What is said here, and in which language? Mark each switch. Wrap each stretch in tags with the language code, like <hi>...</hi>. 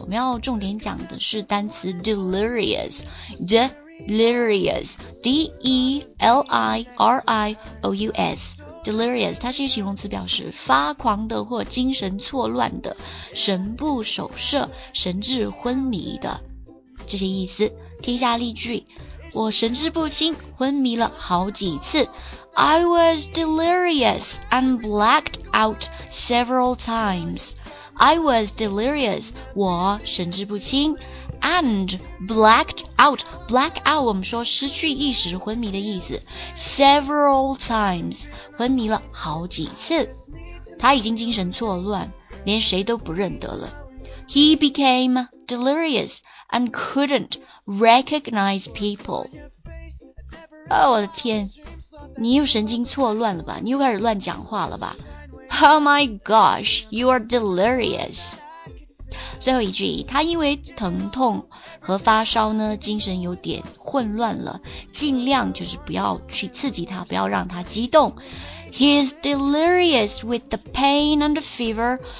<zh>我们要重点讲的是单词 delirious， delirious， D-E-L-I-R-I-O-U-S， delirious， 它是一个形容词，表示发狂的或精神错乱的，神不守舍，神志昏迷的这些意思。听一下例句，我神志不清，昏迷了好几次。</zh> <en>I was delirious and blacked out several times. I was delirious，</en> <zh>我神志不清，</zh> <en>and blacked out，</en> <zh>black out 我们说失去意识，昏迷的意思，</zh> <en>several times，</en> <zh>昏迷了好几次。他已经精神错乱，连谁都不认得了。</zh> <en>He became delirious and couldn't recognize people.</en> <zh>哦，我的天，你又神经错乱了吧？你又开始乱讲话了吧？</zh> <en>Oh my gosh, you are delirious.</en> <zh>最后一句，他因为疼痛和发烧呢，精神有点混乱了，尽量就是不要去刺激他，不要让他激动。</zh> <en>He is delirious with the pain and the fever.</en>